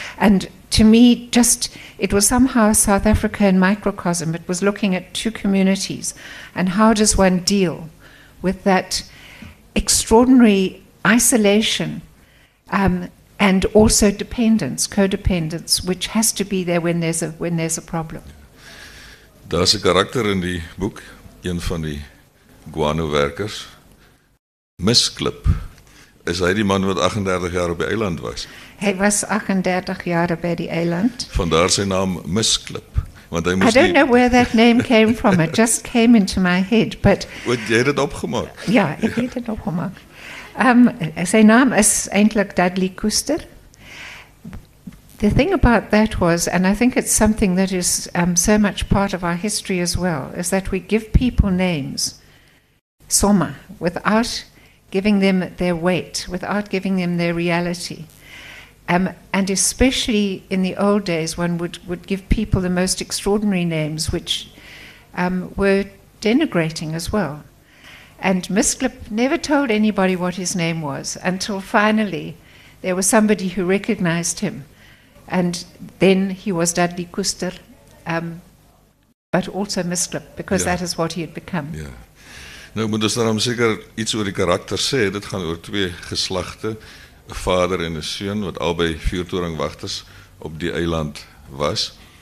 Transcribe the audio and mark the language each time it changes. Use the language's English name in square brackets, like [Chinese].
[English] And to me, just it was somehow South Africa in microcosm. It was looking at two communities and how does one deal with that extraordinary isolation and also dependence, codependence, which has to be there when there's a problem. [Afrikaans] Daar's 'n karakter in die boek, een van die guano werkers, Misklip. Is hy die man wat 38 jaar op die eiland was? Hy was 38 jaar by die eiland. Vandaar sy naam Misklip. Want hy moes [English] I don't know where that name came from. It just came into my head. But [Afrikaans] wat, jy het dit opgemaak? Ja, ek het dit opgemaak. Sy naam is eintlik Dudley Kuster. [English] The thing about that was, and I think it's something that is so much part of our history as well, is that we give people names, Soma, without giving them their weight, without giving them their reality. And especially in the old days, one would give people the most extraordinary names, which were denigrating as well. And Misklip never told anybody what his name was until finally there was somebody who recognized him. And then he was Dudley Kuster, but also Misklip, because yeah. That is what he had become. [Afrikaans] Yeah. Nou moet ons daarom seker iets oor die karakter sê. Dit gaan oor twee geslagte, 'n vader en 'n seun wat albei vuurtoringwagters op die eiland was.